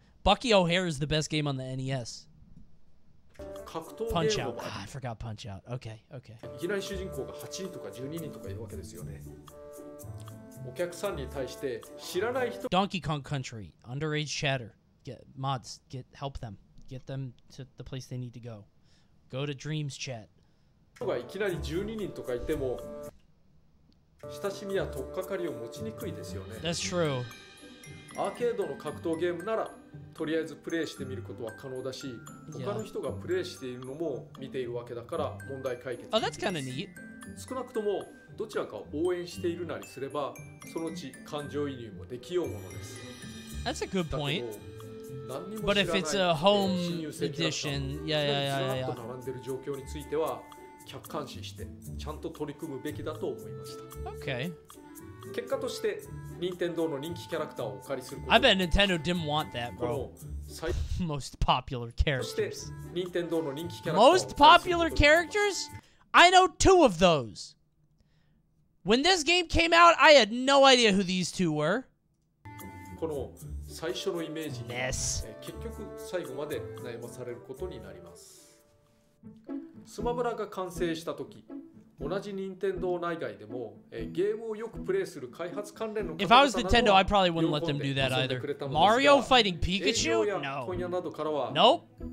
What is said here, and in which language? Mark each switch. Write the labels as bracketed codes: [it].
[en] Bucky O'Hare is the best game on the NES. Punch out. Ah, I forgot Punch out. Okay, okay. [ja] いきなり主人公が8人とか12人とかいるわけですよね。お客さんに対して知らない人。 [en] Donkey Kong Country. Underage chatter. Mods, get help them. Get them to the place they need to go. Go to Dreams chat. [ja] いきなり12人とかいても親しみや取っかかりを持ちにくいですよね。 [en] That's true. [ja] アーケードの格闘ゲームならとりあえずプレイしてみることは可能だし、他の人がプレイしているのも見ているわけだから問題解決。 [en] Oh, that's kind of neat. [ja] 少なくともどちらか応援しているなりすればそのうち感情移入もできようものです。 [en] That's a good point. But if it's a home edition, yeah. [ja] 客観視してちゃんと取り組むべきだと思いました。 [en] Okay. [ja] 結果として任天堂の人気キャラクターをお借りすること [en] 。I bet Nintendo didn't want that, bro. Most popular characters. [ja] 任天堂の人気キャラクター。 [en] Most popular characters? I know two of those. When this game came out, I had no idea who these two were. [ja] この最初のイメージ。 [en] Ness. [ja] 結局最後まで悩まされることになります。スマブラが完成したとき、同じ任天堂内外でも、ゲームをよくプレイする開発関連の方々などは、 [en] If I was Nintendo, I probably wouldn't let them do that either. Mario fighting Pikachu? No. Nope.